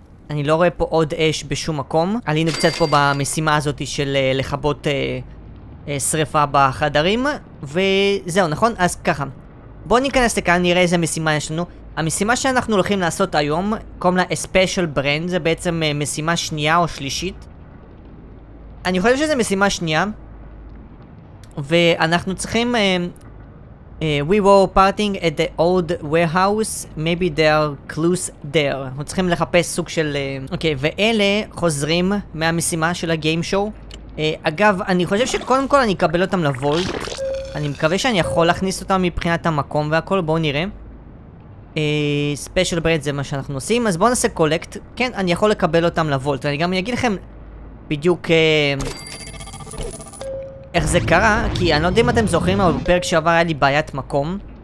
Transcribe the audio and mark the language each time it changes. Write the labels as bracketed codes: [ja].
[he] אני לא רואה פה עוד אש בשום מקום. עלינו קצת פה במשימה הזאת של לכבות שריפה בחדרים, וזהו, נכון? אז ככה. בואו ניכנס לכאן, נראה איזה משימה יש לנו. המשימה שאנחנו הולכים לעשות היום, קוראים לה Special Brand, זה בעצם משימה שנייה או שלישית. אני חושב שזה משימה שנייה. ואנחנו צריכים... [en] We were parting at the old warehouse, maybe there are clues there. [he] אנחנו צריכים לחפש סוג של... אוקיי, ואלה חוזרים מהמשימה של הגיים שואו. אגב, אני חושב שקודם כל אני אקבל אותם לוולט. אני מקווה שאני יכול להכניס אותם מבחינת המקום והכל, בואו נראה. Special Brand זה מה שאנחנו עושים, אז בואו נעשה קולקט. כן, אני יכול לקבל אותם לוולט, ואני גם אגיד לכם בדיוק איך זה קרה, כי אני לא יודע אם אתם זוכרים, אבל בפרק שעבר היה לי בעיית מקום.